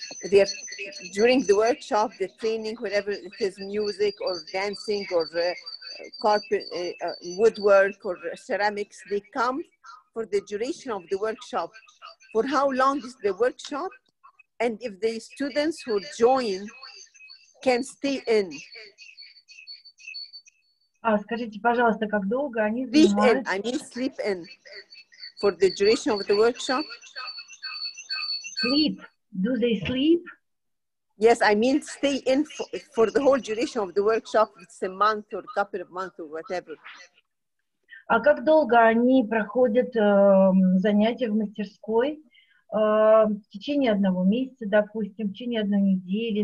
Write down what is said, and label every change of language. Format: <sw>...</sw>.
<en>They're during the workshop, the training, whatever it is, music or dancing or carpet, woodwork or ceramics, they come for the duration of the workshop. For how long is the workshop? And if the students who join can stay in?</en> <ru>Скажите, пожалуйста, как долго они занимаются?</ru> <en>I mean sleep in for the duration of the workshop. Sleep. Do they sleep? Yes, I mean stay in for the whole duration of the workshop. It's a month or a couple of months or whatever.</en> <ru>А как долго они проходят занятия в мастерской? В течение одного месяца, допустим, в течение одной недели?</ru>